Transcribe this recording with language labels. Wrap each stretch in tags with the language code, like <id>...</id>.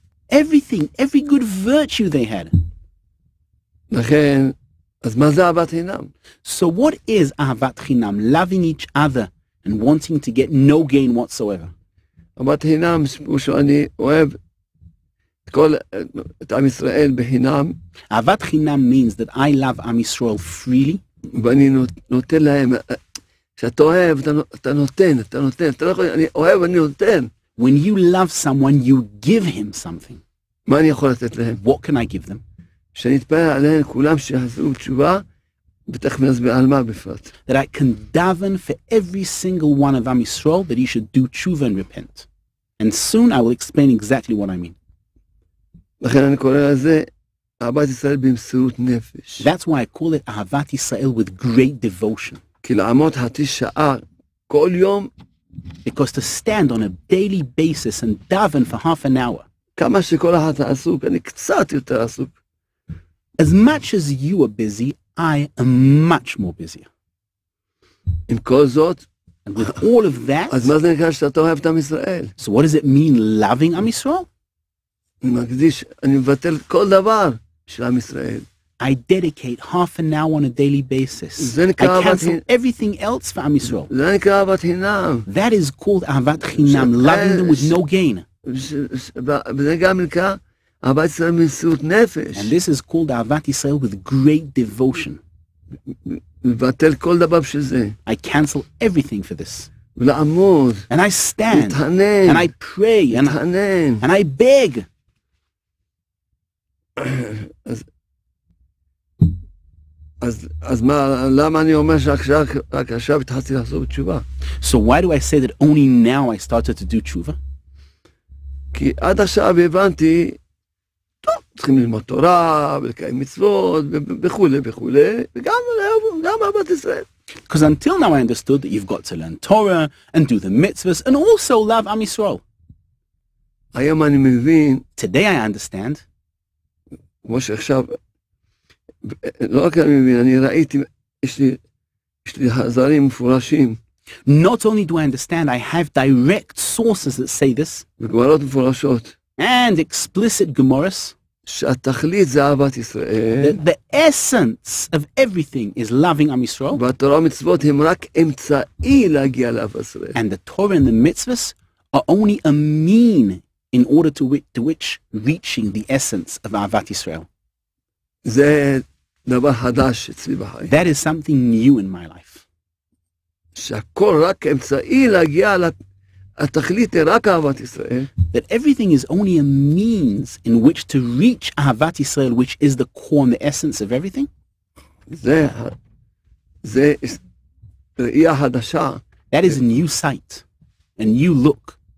<en>Everything, every good virtue they had. So what is Ahavat Chinam? Loving each other and wanting to get no gain whatsoever. Ahavat Chinam, which I love,</en> <he>כל עם ישראל בחינם.</he> <en>אהבת חינם means that I love עם ישראל freely.</en> <he>ואני נותן להם, כשאתה אוהב, אתה נותן, אתה לא יכול, אני אוהב, אני נותן.</he> <en>When you love someone, you give him something.</en> <he>מה אני יכול לתת להם?</he> <en>What can I give them?</en> <he>שאני אתפעל עליהם כולם שיעשו תשובה, ותכף נסביר על מה בפרט.</he> <en>That I can daven for every single one of עם ישראל that he should do tshuva and repent. And soon I will explain exactly what I mean.</en> <he>לכן אני קורא לזה אהבת ישראל במסירות נפש.</he> <en>That's why I call it אהבת ישראל with great devotion.</en> <he>כי לעמוד חצי שעה כל יום.</he> <en>Because to stand on a daily basis and daven for half an hour.</en> <he>כמה שכל אחד עסוק, אני קצת יותר עסוק.</he> <en>As much as you are busy, I am much more busy.</en> <he>עם כל זאת.</he> <en>And with all of that.</en> <he>אז מה זה נקרא שאתה אוהב את עם ישראל?</he> <en>So what does it mean loving עם ישראל?</en> <he>מקדיש, אני מבטל כל דבר של עם ישראל.</he> <en>I dedicate half an hour on a daily basis. I cancel everything else for עם ישראל.</en> <he>זה נקרא אהבת חינם.</he> <en>That is called אהבת חינם, loving them with no gain.</en> <he>זה גם נקרא אהבת ישראל במסירות נפש.</he> <en>And this is called אהבת ישראל with great devotion.</en> <he>מבטל כל דבר של זה.</he> <en>I cancel everything for this.</en> <he>ולעמוד.</he> <en>And I stand.</en> <he>מתענן.</he> <en>And I pray.</en> <he>מתענן.</he> <en>And I beg.</en> <he>אז מה, למה אני אומר שעכשיו התחלתי לעשות תשובה?</he> <en>So why do I say that only now I started to do תשובה?</en> <he>כי עד עכשיו הבנתי, טוב, צריכים ללמוד תורה, ולקיים מצוות, וכו', וכו', וגם אהבת ישראל.</he> <en>Because until now I understood that you've got to learn Torah, and do the mitzvahs, and also love עם ישראל.</en> <he>היום אני מבין.</he> <en>Today I understand.</en> <he>כמו שעכשיו, לא רק אני מבין, אני ראיתי, יש לי חזרים מפורשים.</he> <en>Not only do I understand, I have direct sources that say this.</en> <he>וגמרות מפורשות.</he> <en>And explicit gemaras.</en> <he>שהתכלית זה אהבת ישראל.</he> <en>The essence of everything is loving עם ישראל.</en> <he>והתורה ומצוות הם רק אמצעי להגיע לאהבת ישראל.</he> <en>And the Torah and the mitzvahs are only a mean in order to which reaching the essence of Ahavat Yisrael.</en> <he>זה דבר חדש אצלי בחיים.</he> <en>That is something new in my life.</en> <he>שהכל רק אמצעי להגיע התכלית היא רק אהבת ישראל.</he> <en>That everything is only a means in which to reach אהבת ישראל, which is the core and the essence of everything.</en> <he>זה ראי החדשה.</he> <en>That is a new sight, a new look.</en>